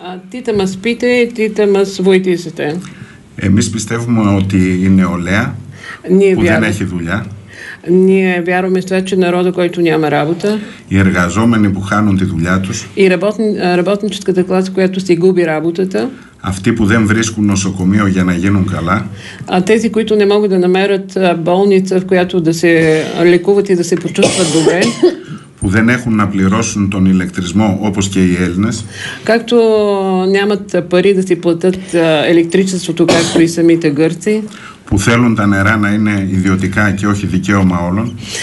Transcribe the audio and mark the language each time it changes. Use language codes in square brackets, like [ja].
[el] Τίτα μας πείτε, τίτα μας βοηθήσετε. Εμείς πιστεύουμε ότι η νεολαία που δεν έχει δουλειά. [bg] Ние вярваме това, че народа, който няма работа. [el] Οι εργαζόμενοι που χάνουν τη δουλειά τους. [bg] Η работническата класа, която си губи работата. [el] Αυτοί που δεν βρίσκουν νοσοκομείο για να γίνουν καλά. [bg] Тези, които не могат да намерят болница, в която да се лекуват и да се почувстват добре. [el] Που δεν έχουν να πληρώσουν τον ηλεκτρισμό όπως και οι Έλληνες. [bg] Както нямат пари да си платят електричеството, както и самите Гърци. [el] Που θέλουν τα νερά να είναι ιδιωτικά και όχι δικαίωμα όλων.